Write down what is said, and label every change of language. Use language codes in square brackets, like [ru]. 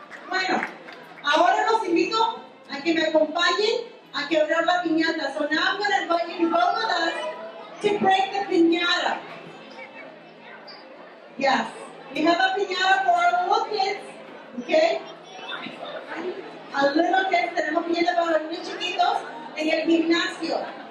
[es] Bueno, ahora los invito a que me acompañen a quebrar la piñata. [en] So now I'm going to invite you both of us to break the piñata. Yes. We have a piñata for our little kids. Okay? A little kids. [es] Tenemos piñata para los chiquitos en el gimnasio.